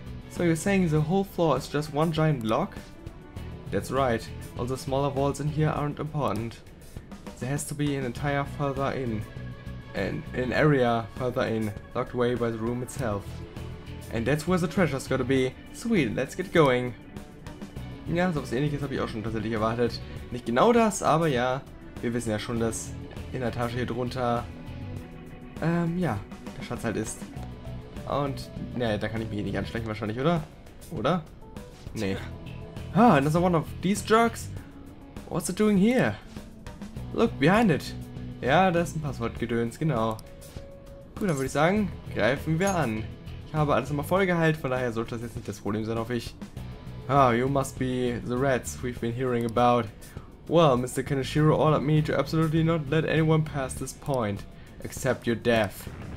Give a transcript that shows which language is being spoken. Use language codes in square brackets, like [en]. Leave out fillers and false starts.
[en] So you're saying the whole floor is just one giant lock? That's right. All the smaller walls in here aren't important. There has to be an entire further in. An area further in, locked away by the room itself. And that's where the treasure's gotta be. Sweet, let's get going. [de] Ja, sowas Ähnliches habe ich auch schon tatsächlich erwartet. Nicht genau das, aber ja, wir wissen ja schon, dass in der Tasche hier drunter, ja, der Schatz halt ist. Und, naja, da kann ich mich hier nicht anschleichen wahrscheinlich, oder? Oder? Nee. [en] Ah, another one of these jerks? What's it doing here? Look, behind it. [de] Ja, das ist ein Passwortgedöns, genau. Gut, dann würde ich sagen, greifen wir an. Ich habe alles immer voll geheilt, von daher sollte das jetzt nicht das Problem sein, hoffe ich. [en] Ah, you must be the rats we've been hearing about. Well, Mr. Kaneshiro ordered me to absolutely not let anyone pass this point, except your death.